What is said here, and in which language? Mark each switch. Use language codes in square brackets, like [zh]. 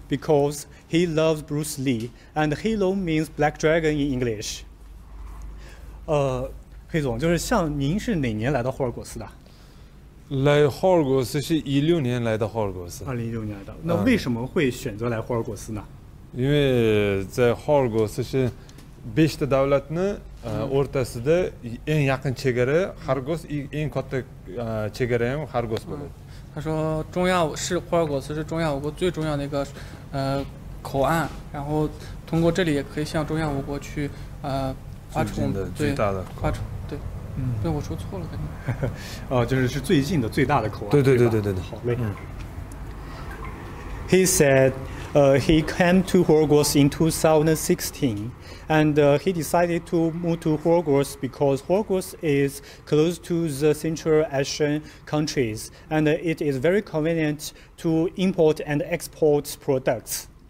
[en] Because he loves Bruce Lee, and Heilong means black dragon in English. [zh] 黑总，就是像您是哪年来到霍尔果斯的？来霍尔果斯是2016年来到霍尔果斯。 2016年来到，那为什么会选择来霍尔果斯呢？因为在霍尔果斯是5个国家 [uz] ortasida eng yaqin chegara Horgos eng katta chegara ham Horgos bo'ladi. [zh] 他说中亚是霍尔果斯是中亚五国最重要的一个口岸，然后通过这里也可以向中亚五国去发出我们最大的发出对，对我说错了感觉。就是最近的最大的口岸。对。好嘞。 [en] He said. He came to Horgos in 2016, and he decided to move to Horgos because Horgos is close to the Central Asian countries, and it is very convenient to import and export products.